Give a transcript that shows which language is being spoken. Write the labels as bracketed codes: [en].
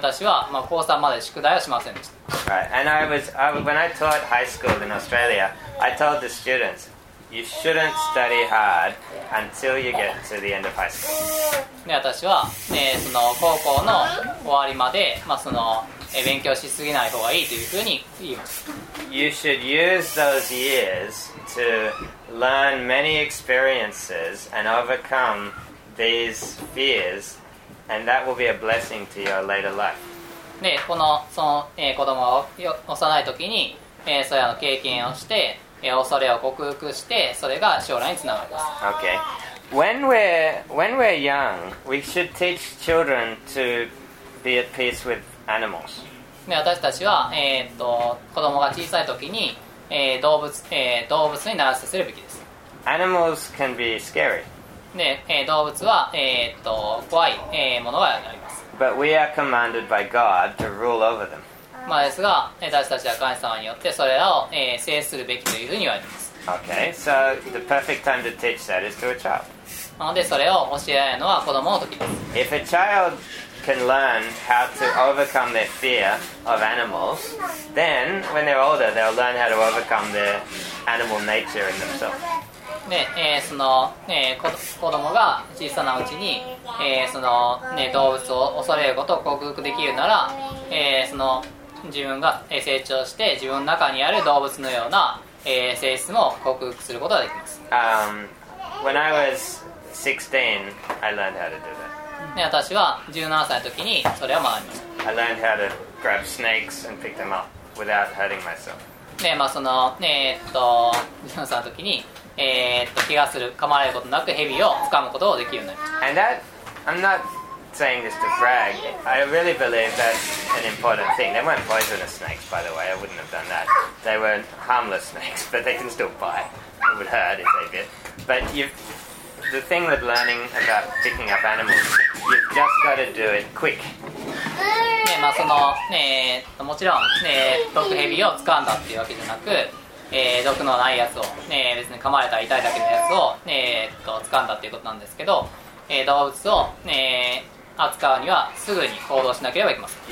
[en] When I taught high school in Australia, I told the students, you shouldn't study hard until you get to the end of high school. [ja] で、私は、ね、その高校の終わりまで、まあ、その勉強しすぎない方がいいというふうに言います。 [en] You should use those years to learn many experiences and overcome these fears, and that will be a blessing to your later life. [ja] で、この、その、子供が幼い時に、そういうの経験をして、恐れを克服して、それが将来につながります。 [en] Okay. When we're young, we should teach children to be at peace with animals. [ja] で、私たちは、子供が小さい時に、動物に慣らさせるべきです。 [en] Animals can be scary. [ja] で、動物は、怖い、ものがあります。 [en] But we are commanded by God to rule over them. [ja] まあですが、私たちは神様によってそれらを、制するべきというふうに言われています。 [en] Okay, so the perfect time to teach that is to a child. [ja] なので、それを教えられるのは子供の時です。 [en] If a childcan learn how to overcome their fear of animals, then when they're older, they'll learn how to overcome their animal nature in themselves. [ja] ね、その、ね、子供が小さなうちに、その、ね、動物を恐れることを克服できるなら、その自分が成長して自分の中にある動物のような、性質も克服することができます。 [en] When I was 16, I learned how to do that. [ja] ね、私は17歳の時にそれを学びました。 [en] I learned how to grab snakes and pick them up without hurting myself. [ja] ね、まあその、17歳の時に、怪我する、噛まれることなく蛇を掴むことをできるようになりました。 [en] And that, I'm not saying this to brag. I really believe that's an important thing. They weren't poisonous snakes, by the way. I wouldn't have done that. They were harmless snakes, but they can still bite. It would hurt if they bit. But you've... The thing with learning about picking up animals, you've just got to do it quick. [ja] ね、まあその、もちろん、毒蛇を掴んだっていうわけじゃなく、毒のないやつを、別に噛まれたら痛いだけのやつを、掴んだっていうことなんですけど、動物を、扱うにはすぐに行動しなければいけません。